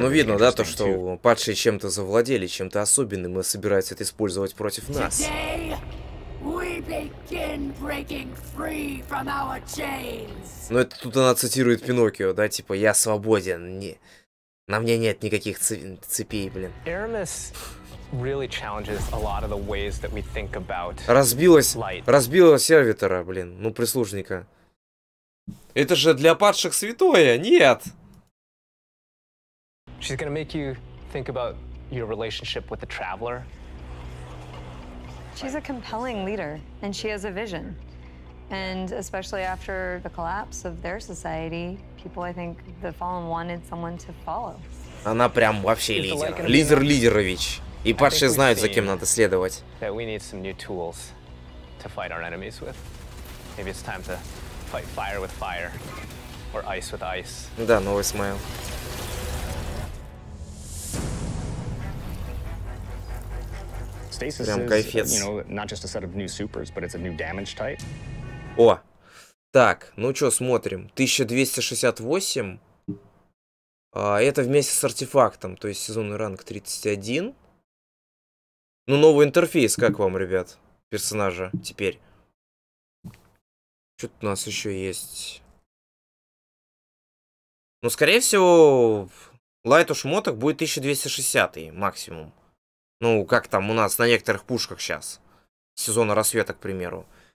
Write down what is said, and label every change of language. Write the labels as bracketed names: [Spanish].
[Russian] Ну видно, да, то, что падшие чем-то завладели, чем-то особенным, и собираются это использовать против нас. [English] Today we begin breaking free from our chains. [Russian] Ну это тут она цитирует Пиноккио, да, типа я свободен, не. На мне нет никаких цепей, блин. [English] Aramis really challenges a lot of the ways that we think about light. [Russian] Разбила сервитора, блин, ну прислужника. Это же для падших святое, нет. [English] She's gonna make you think about your relationship with the Traveler. She's a compelling leader, and she has a vision. And especially after the collapse of their society, people, I think, the Fallen wanted someone to follow. [Russian] Она прям вообще лидер. Лидер лидерович. И падшие знают, за кем надо следовать. [English] That we need some new tools to fight our enemies with. Maybe it's time to fight fire with fire or ice with ice. [Russian] Да, новый смайл. Прям кайфец. [English] You know, not just a set of new supers, but it's a new damage type. [Russian] О, так, ну чё, смотрим, 1268, это вместе с артефактом, то есть сезонный ранг 31, ну новый интерфейс, как вам, ребят, персонажа, теперь, что-то у нас еще есть, ну скорее всего, лайт у шмоток будет 1260 максимум, ну как там у нас на некоторых пушках сейчас, сезона рассвета, к примеру.